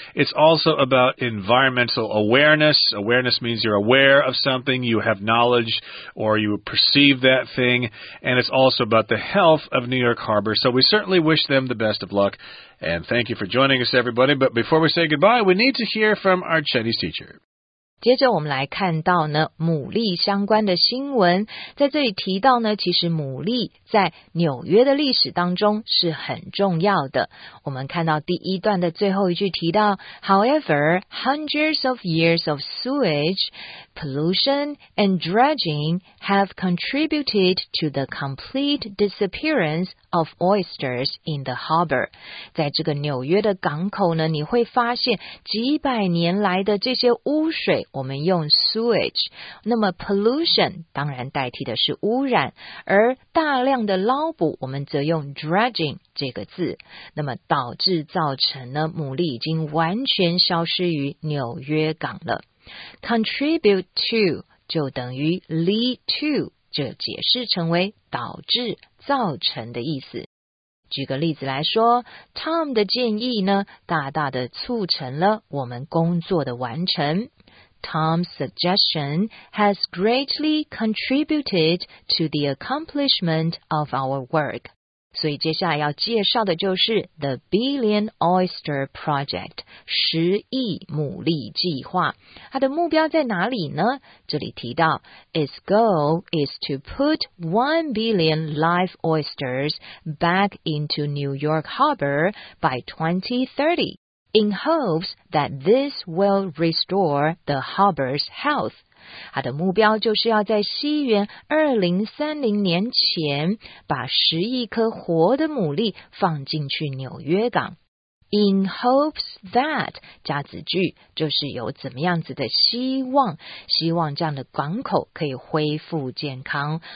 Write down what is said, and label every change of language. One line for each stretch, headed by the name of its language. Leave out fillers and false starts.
English: It's also about environmental awareness. Awareness means you're aware of something, you have knowledge, or you perceive that thing. And it's also about the health of New York Harbor. So we certainly wish them the best of luck. And thank you for joining us, everybody. But before we say goodbye, we need to hear from our Chinese teacher.
Chinese: 接着我们来看到呢，牡蛎相关的新闻，在这里提到呢，其实牡蛎在纽约的历史当中是很重要的。我们看到第一段的最后一句提到
English: ，However, hundreds of years of sewage, pollution, and dredging have contributed to the complete disappearance of oysters in the harbor。
Chinese: 在这个纽约的港口呢，你会发现几百年来的这些污水。我们用 sewage， 那么 pollution 当然代替的是污染，而大量的捞捕我们则用 dredging 这个字，那么导致造成呢，牡蛎已经完全消失于纽约港了。 contribute to 就等于 lead to， 这解释成为导致造成的意思。举个例子来说， Tom 的建议呢，大大的促成了我们工作的完成。
English: Tom's suggestion has greatly contributed to the accomplishment of our work.
Chinese: 所以接下来要介绍的就是 The Billion Oyster Project, 十亿牡蛎计划。它的目标在哪里呢？这里提到
English: ,Its goal is to put 1 billion live oysters back into New York Harbor by 2030. In hopes that this will restore the harbor's health.
Chinese: 它的目标就是要在西元2030年前把十亿颗活的牡蛎放进去纽约港。
English: In hopes that,
Chinese: 加子句就是有怎么样子的希望，希望这样的港口可以恢复健康。